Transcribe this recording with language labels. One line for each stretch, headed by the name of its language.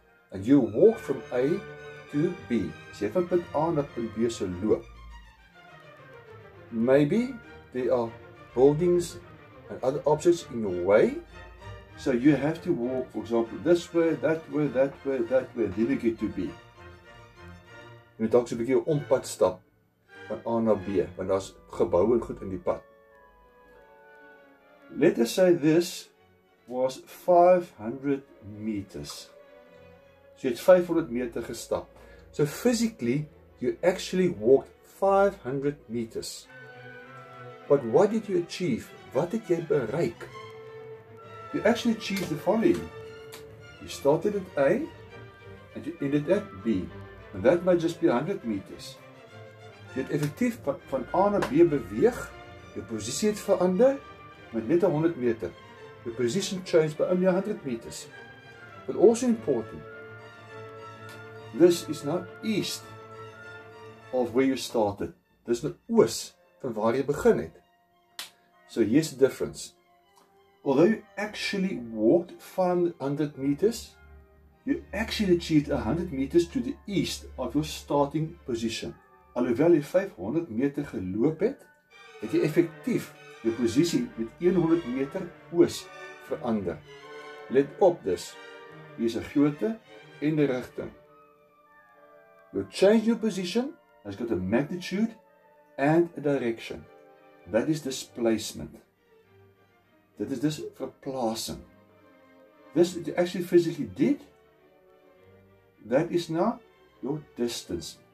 English: And you walk from A to B. So if I put A and B is so loop. Maybe there are buildings and other objects in your way. So you have to walk, for example, this way, that way, that way, that way, then you get to B.
Afrikaans: You moet ook so 'n bietjie ompad stap van A na B, want daar's gebou en goed in die pad.
English: Let us say this was 500 meters. So you had 500 meters gestap. So physically, you actually walked 500 meters. But what did you achieve?
Afrikaans: Wat het jy bereik?
English: You actually achieved the following. You started at A and you ended at B. And that might just be 100 meters. You had
Afrikaans: effectief van A na B beweeg.
English: Your position had
Afrikaans: verander. Met net 100 meter.
English: The position changed by only 100 meters. But also important, this is now east of where you started. This is the
Afrikaans: oos van waar jy begin het.
English: So here's the difference. Although you actually walked 500 meters, you actually achieved 100 meters to the east of your starting position.
Afrikaans: Alhoewel jy 500 meter geloop het, het jy effektief
English: your position
Afrikaans: met 100 meter oos verander. Let op dus, hier is 'n grootte en 'n rigting.
English: You change your position, has got a magnitude and a direction. That is displacement.
Afrikaans: Dit is dus verplaasing.
English: This what you actually physically did, that is now your distance.